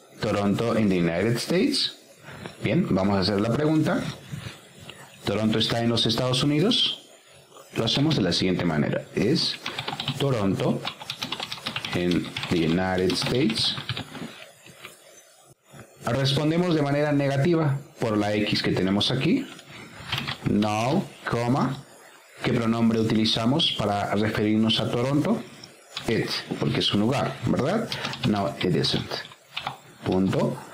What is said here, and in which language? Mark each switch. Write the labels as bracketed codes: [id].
[en] Toronto in the United States. [es] Bien, vamos a hacer la pregunta. ¿Toronto está en los Estados Unidos? Lo hacemos de la siguiente manera. [en] Is Toronto in the United States? [es] Respondemos de manera negativa por la X que tenemos aquí. No, coma. ¿Qué pronombre utilizamos para referirnos a Toronto? It, porque es un lugar, ¿verdad? [en] No, it isn't. [es] Punto.